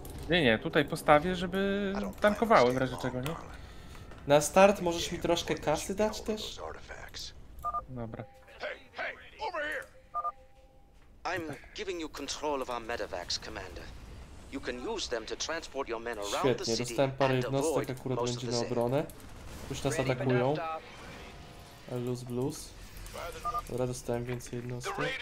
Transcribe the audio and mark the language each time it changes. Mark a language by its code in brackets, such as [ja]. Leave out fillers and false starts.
[pl] Nie, tutaj postawię, żeby tankowały w razie czego, nie? Na start możesz mi troszkę kasy dać też? Dobra. [en] I'm giving you control of our medevacs, Commander. You can use them to transport your men around the city. [pl] Świetnie, dostałem parę jednostek, akurat będzie na obronę. Już nas atakują. Luz blues. Dobra, dostałem więcej jednostek.